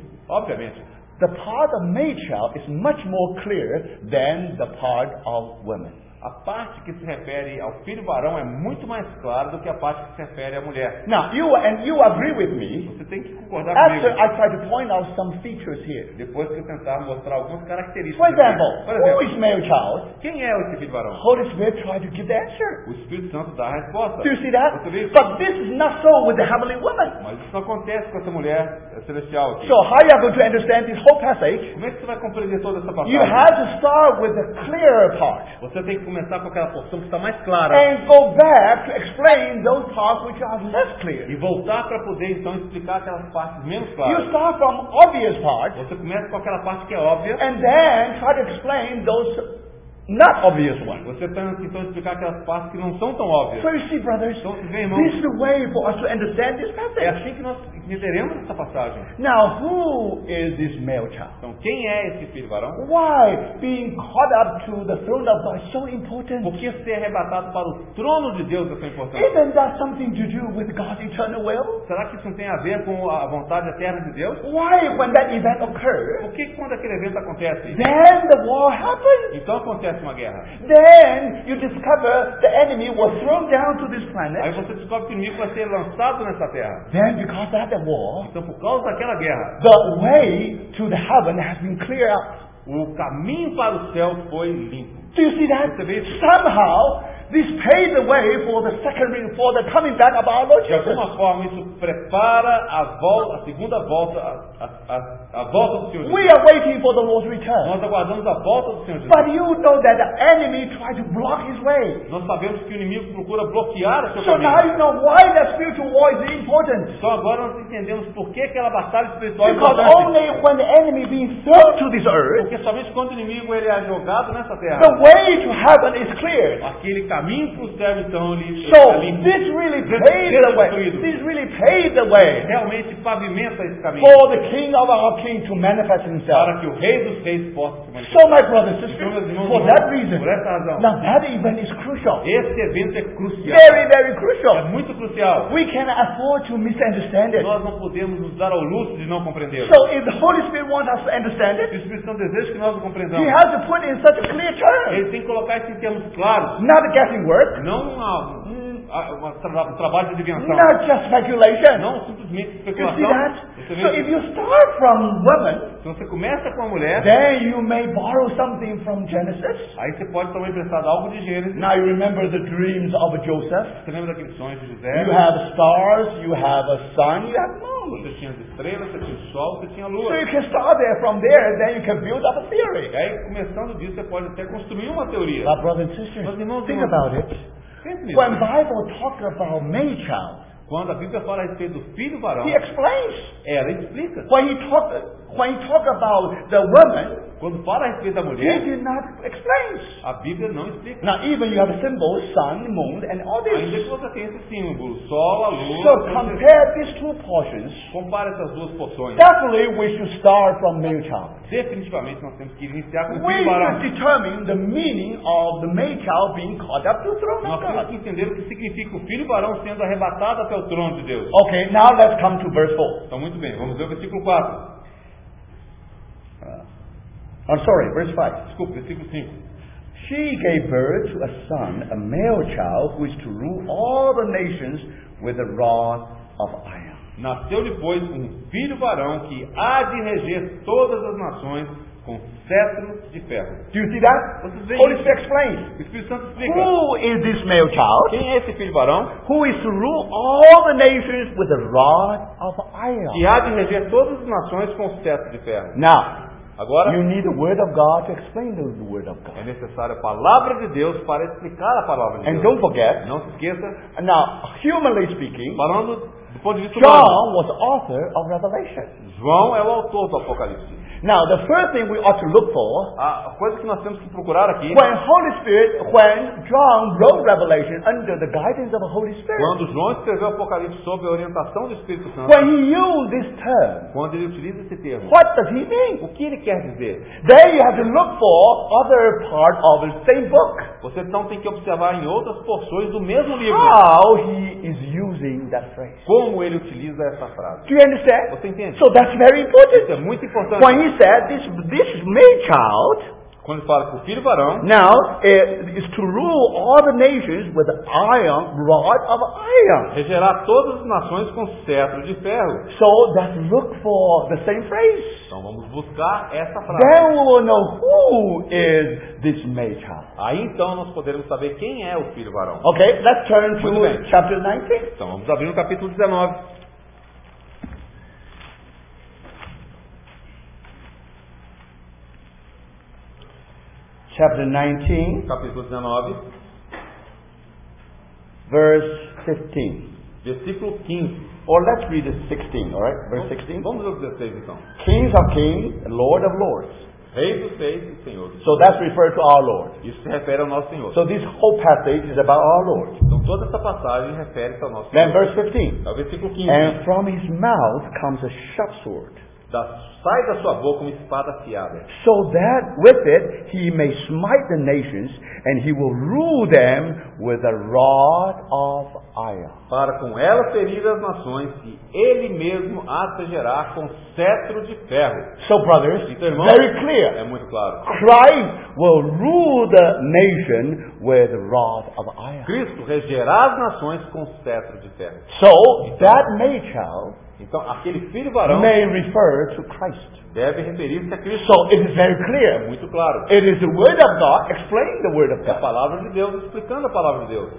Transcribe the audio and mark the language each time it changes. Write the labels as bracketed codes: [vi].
[pt] obviamente, [en] the part of male child is much more clear than the part of women. [pt] A parte que se refere ao filho varão é muito mais clara do que a parte que se refere à mulher. [en] Now, you agree with me. [pt] Você tem que concordar [en] after [pt] comigo. [en] I try to point out some features here. [pt] Depois que eu tentar mostrar algumas características. [en] For example, [pt] por exemplo, [en] who is male child? [pt] Quem é esse filho varão? [en] Holy Spirit tried to give the answer. [pt] O Espírito Santo dá a resposta. [en] Do you see that? [pt] Você vê isso? [en] But this is not so with the heavenly woman. [pt] Mas isso não acontece com essa mulher celestial aqui. [en] So how you are going to understand this whole passage? [pt] Como é que você vai compreender toda essa passagem? [en] You have to start with the clearer part. [pt] Você tem que começar com aquela porção que está mais clara. [en] And go back to explain those parts which are less clear. [pt] E voltar para poder então explicar aquelas partes menos claras. [en] You start from obvious parts. [pt] Você começa com aquela parte que é óbvia. [en] And then try to explain those not obvious ones. [pt] Você tenta então explicar aquelas partes que não são tão óbvias. [en] So you see, brothers, [pt] então, vem, irmão, [en] this is the way for us to understand this passage. [pt] É assim que nós e leremos essa passagem. [en] Now, who is this male child? [pt] Então, quem é esse filho varão? [en] Why being caught up to the throne of God is so important? [pt] Por que ser arrebatado para o trono de Deus é tão importante? [en] Isn't that something to do with God's eternal will? [pt] Será que isso não tem a ver com a vontade eterna de Deus? [en] Why, when that event occurs? [pt] Por que quando aquele evento acontece? [en] Then the war happens. [pt] Então acontece uma guerra. [en] Then you discover the enemy was thrown down to this planet. [pt] Aí você descobre que o inimigo vai ser lançado nessa terra. [en] Then because of that war, [pt] então por causa daquela guerra, [en] the way to the heaven has been cleared up. [pt] O caminho para o céu foi limpo. [en] Do you see that? Somehow this paved the way for the second ring, for the coming back of our Lord Jesus. [pt] De alguma forma isso prepara a volta, a segunda volta, a volta do Senhor Jesus. [en] We are waiting for the Lord's return. [pt] Nós aguardamos a volta do Senhor Jesus. [en] But you know that the enemy tried to block his way. [pt] Nós sabemos que o inimigo procura bloquear o seu [en] so [pt] caminho. [en] So now you know why the spiritual war is important. [pt] Então agora nós entendemos por que aquela batalha espiritual [en] because [pt] é importante. [en] Because only when the enemy being thrown to this earth. [pt] Porque somente quando o inimigo ele é jogado nessa terra. [en] The way to heaven is clear. [pt] Aquele caminho para o céu então ele [en] so [pt] está limpo. [en] This really paved the way. This really paved the way. [pt] Realmente pavimenta esse caminho. [en] For the King of our King to manifest himself. [pt] Para que o Rei dos Reis possa se manifestar. [en] So my brothers and sisters, for that reason. [pt] Por essa razão. [en] Now that event is crucial. [pt] Esse evento é crucial. [en] Very, very crucial. [pt] É muito crucial. [en] We cannot afford to misunderstand it. [pt] Nós não podemos nos dar ao luxo de não compreendê-lo. [en] So if the Holy Spirit wants us to understand it. [pt] O Espírito Santo deseja que nós o compreendamos. [en] He has to put it in such a clear terms. [pt] Ele tem que colocar isso em termos claros. [en] Not guessing work. [pt] Não um trabalho de adivinhação. [en] Not just speculation. [pt] Não simplesmente especulação. [en] You see that? So if you start from woman, [pt] se você começa com a mulher, [en] then you may borrow something from Genesis. [pt] Aí você pode também emprestar algo de Gênesis. [en] Now you remember the dreams of Joseph. [pt] Você lembra daqueles sonhos de José? [en] You have stars, you have a sun, you have moon. [pt] Você tinha as estrelas, você tinha o sol, você tinha a lua. [en] So you can start there from there, then you can build up a theory. [pt] E aí começando disso você pode até construir uma teoria. [en] But brothers and sisters, [pt] mas, irmãos, [en] think about it. [pt] Simples. [en] When Bible talks about male child, [pt] quando a Bíblia fala a respeito do filho varão, [en] he explains. [pt] Ela explica. [en] When he talk about the woman, [pt] quando fala a respeito da mulher, [en] he did not explain. [pt] A Bíblia não explica. [en] Now even you have symbols, sun, moon, and all this. [pt] Ainda que você tenha esses símbolos, sol, a lua. [en] So compare these two portions. [pt] Compare essas duas porções. [en] Definitely we should start from male child. [pt] Definitivamente nós temos que iniciar com o [en] we [pt] filho varão. [en] We must determine the meaning of the male child being caught up to the throne. [pt] Nós temos que entender o que significa o filho varão sendo arrebatado até o trono de Deus. [en] Okay, now let's come to verse 4. [pt] Então muito bem, vamos ver o versículo 4. [en] Verse 5. [pt] Desculpa, versículo 5. [en] She gave birth to a son, a male child, who is to rule all the nations with a rod of iron. [pt] Nasceu depois um filho varão que há de reger todas as nações com cetro de ferro. [en] Do you see that? Holy Spirit explains. [pt] O Espírito Santo explica. [en] Who is this male child? [pt] Quem é esse filho varão? [en] Who is to rule all the nations with a rod of iron? [pt] Que há de reger todas as nações com cetro de ferro. [en] Now. [pt] Agora, [en] you need the word of God to explain the word of God. [pt] É necessário a palavra de Deus para explicar a palavra de [en] and [pt] Deus. [en] Don't forget, [pt] não se esqueça. [en] Now, humanly speaking, [pt] falando do ponto de vista [en] John [pt] humano, [en] was the author of Revelation. [pt] João é o autor do Apocalipse. [en] Now, the first thing we ought to look for, [pt] a coisa que nós temos que procurar aqui, [en] when Holy Spirit, when John wrote Revelation under the guidance of the Holy Spirit, [pt] quando João escreveu Apocalipse sob a orientação do Espírito Santo, [en] when he used this term, [pt] quando ele utiliza esse termo, [en] what does he mean? [pt] O que ele quer dizer? [en] Then you have to look for other part of the same book. [pt] Você então tem que observar em outras porções do mesmo livro. [en] How he is using that phrase. [pt] Como ele utiliza essa frase? [en] Do you understand? [pt] Você entende? [en] So that's very important. [pt] Isso é muito importante. [en] When he said this male child. [pt] Quando ele fala com o filho varão. [en] Now is to rule all the nations with the iron rod of iron. [pt] Regerar todas as nações com cetro de ferro. [en] So let's look for the same phrase. [pt] Então vamos buscar essa frase. [en] Then we will know who is this male child. [pt] Aí então nós poderemos saber quem é o filho varão. [en] Okay, let's turn to chapter 19. [pt] Então vamos abrir no capítulo 19. [en] Chapter 19, [pt] capítulo 19, [en] verse 15. [pt] Versículo 15. [en] Or let's read the 16, all right? Verse 16. [pt] Vamos ler o 16 então. [en] Kings of kings, Lord of lords. [pt] Rei dos reis e Senhor. [en] So that's referred to our Lord. [pt] Isso se refere ao nosso Senhor. [en] So this whole passage is about our Lord. [pt] Então toda essa passagem refere-se ao nosso Senhor. [en] Then verse 15. [pt] É o versículo 15. [en] And from his mouth comes a sharp sword. [pt] Sai da sua boca uma espada afiada. [en] So that with it he may smite the nations, and he will rule them with a rod of iron. [pt] Para com ela ferir as nações, e ele mesmo atingirá com cetro de ferro. [en] So brothers, [pt] então, irmãos, [en] very clear. [pt] É muito claro. [en] Christ will rule the nation with a rod of iron. [pt] Cristo regerá as nações com cetro de ferro. [en] So that may child. [pt] Então, aquele filho varão [en] may refer to Christ. [pt] Deve referir-se a Cristo. [en] So it is very clear. [pt] É muito claro. [en] It is the word of God explaining the word of God. [pt] É a palavra de Deus explicando a palavra de Deus.